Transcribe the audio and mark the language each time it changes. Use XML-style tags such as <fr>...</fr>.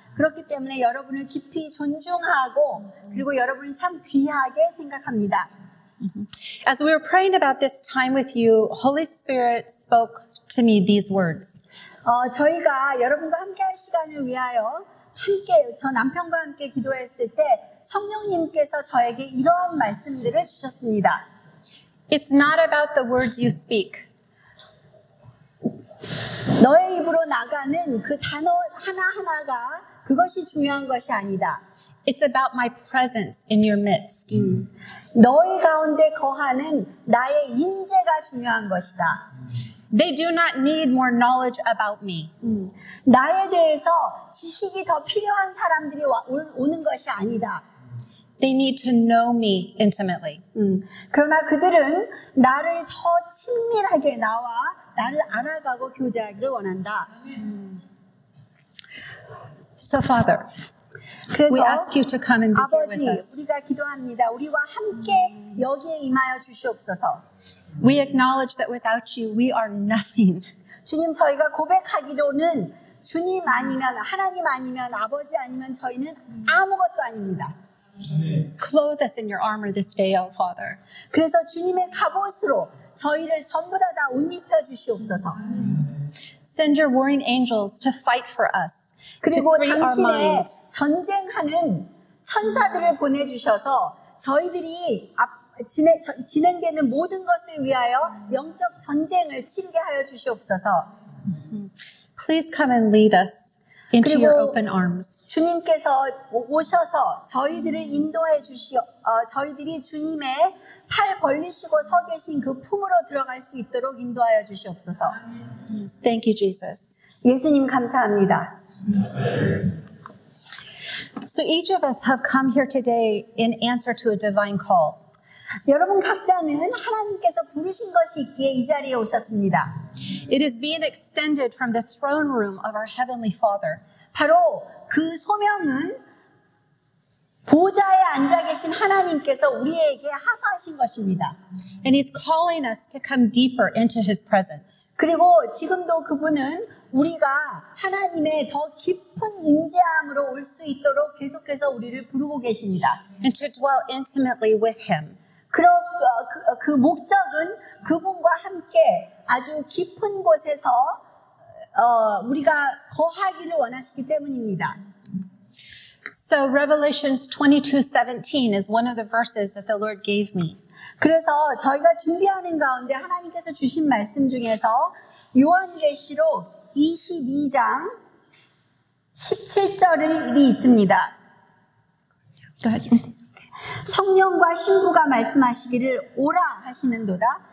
<ko>그렇기 때문에 여러분을 깊이 존중하고 그리고 여러분을 참 귀하게 생각합니다.</ko> <en>As we were praying about this time with you, Holy Spirit spoke to me these words.</en> <ko>저희가 여러분과 함께할 시간을 위하여 함께 저 남편과 함께 기도했을 때 성령님께서 저에게 이러한 말씀들을 주셨습니다.</ko> <en>It's not about the words you speak.</en> <ko>너의 입으로 나가는 그 단어 하나하나가 그것이 중요한 것이 아니다.</ko> <en>It's about my presence in your midst.</en> <ko>너희 가운데 거하는 나의 임재가 중요한 것이다.</ko> <en>They do not need more knowledge about me.</en> <ko>나에 대해서 지식이 더 필요한 사람들이 오는 것이 아니다.</ko> <en>They need to know me intimately.</en> <ko>그러나 그들은 나를 더 친밀하게 나와 나를 알아가고 교제하기를 원한다.</ko> <en>So Father, we ask you to come and be</en> <ko>아버지,</ko> <en>here with us.</en> <ko>우리가 기도합니다. 우리와 함께 여기에 임하여 주시옵소서.</ko> <en>We acknowledge that without you, we are nothing.</en> <ko>주님, 저희가 고백하기로는 주님 아니면 하나님 아니면 아버지 아니면 저희는 아무것도 아닙니다.</ko> <en>Clothe us in your armor this day, O Father.</en> <ko>그래서 주님의 갑옷으로 저희를 전부 다 옷 입혀 주시옵소서.</ko> <en>So send your warring angels to fight for us.</en> <ko>그리고 당신의 전쟁하는 천사들을 보내주셔서 저희들이 진행되는 모든 것을 위하여 영적 전쟁을 치르게 하여 주시옵소서.</ko> <en>Please come and lead us into your open arms.</en> <ko>주님께서 오셔서 저희들을 인도해 주시어 저희들이 주님의 팔 벌리시고 서 계신 그 품으로 들어갈 수 있도록 인도하여 주시옵소서.</ko> <en>Thank you, Jesus.</en> <ko>예수님 감사합니다.</ko> <en>So each of us have come here today in answer to a divine call.</en> <ko>여러분 각자는 하나님께서 부르신 것이 있기에 이 자리에 오셨습니다.</ko> <en>It is being extended from the throne room of our heavenly Father.</en> <ko>바로 그 소명은 보좌에 앉아 계신 하나님께서 우리에게 하사하신 것입니다.</ko> <en>And he's calling us to come deeper into his presence.</en> <ko>그리고 지금도 그분은 우리가 하나님의 더 깊은 임재함으로 올 수 있도록 계속해서 우리를 부르고 계십니다.</ko> <en>And to dwell intimately with him.</en> <ko>그 목적은 그분과 함께 아주 깊은 곳에서 우리가 거하기를 원하시기 때문입니다.</ko> <en>So Revelations 22:17 is one of the verses that the Lord gave me.</en> <ko>그래서 저희가 준비하는 가운데 하나님께서 주신 말씀 중에서 요한계시록 22장 17절이 있습니다. 성령과 신부가 말씀하시기를 오라 하시는도다.</ko>